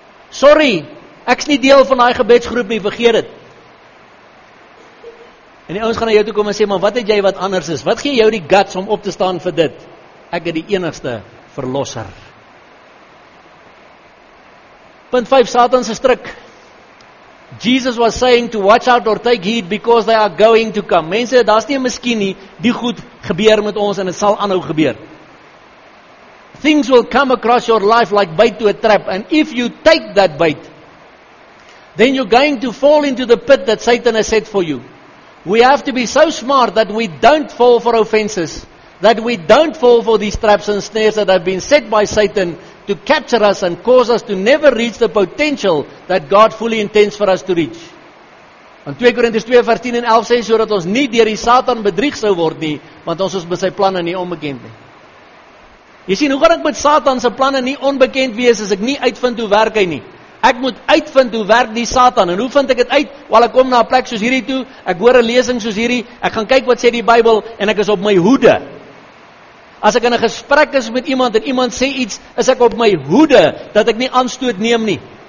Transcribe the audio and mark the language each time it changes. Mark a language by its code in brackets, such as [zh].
[af] Sorry, ek is nie deel van die gebedsgroep nie, vergeet het. En die ouens gaan na jou toe kom en sê, maar wat het jy wat anders is? Wat gee jou die guts om op te staan vir dit? Ek het die enigste verlosser. Punt 5, Satan se struik. [en] Jesus was saying to watch out or take heed because they are going to come. [af] Mense, daar's nie 'n miskien nie, die goed gebeur met ons en dit sal aanhou gebeur. [en] Things will come across your life like bait to a trap, and if you take that bait, then you're going to fall into the pit that Satan has set for you. We have to be so smart that we don't fall for offenses, that we don't fall for these traps and snares that have been set by Satan to capture us and cause us to never reach the potential that God fully intends for us to reach. [af] In 2 Korintiërs 2 vers 10 en 11 sê, so dat ons nie deur die Satan bedrieg sou word nie, want ons is met sy planne nie onbekend nie. Jy sien, hoe kan ek met Satan se planne nie onbekend wees, as ek nie uitvind hoe werk hy nie? Ek moet uitvind hoe werk die Satan, en hoe vind ek het uit? Wel, ek kom na 'n plek soos hierdie toe, ek hoor 'n lesing soos hierdie, ek gaan kyk wat sê die Bybel, en ek is op my hoede. As ek in 'n gesprek is met iemand en iemand sê iets, is ek op my hoede dat ek nie aanstoot neem nie.